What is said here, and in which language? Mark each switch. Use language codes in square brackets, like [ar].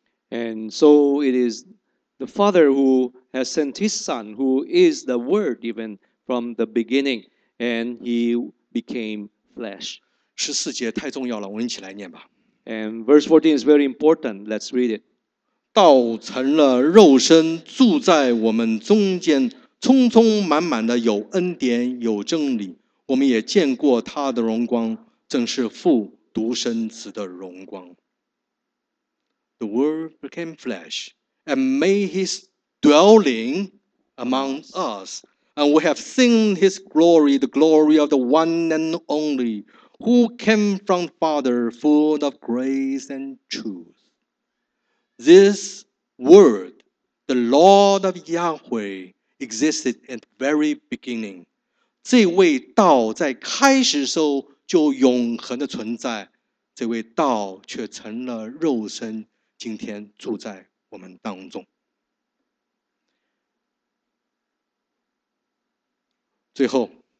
[en] And so it is the Father who has sent his Son, who is the Word even from the beginning, and he became flesh. [zh] 十四节太重要了，我们一起来念吧。 [en] And verse 14 is very important, let's read it. [zh] 道成了肉身，住在我们中间，充充满满的有恩典，有真理。我们也见过他的荣光，正是父独生子的荣光。 [en] The Word became flesh and made his dwelling among us, and we have seen his glory, the glory of the one and only, who came from the Father, full of grace and truth. This word, the Lord of Yahweh, existed at the very beginning. [zh] 这位道在开始时候就永恒的存在，这位道却成了肉身，今天住在我们当中。最后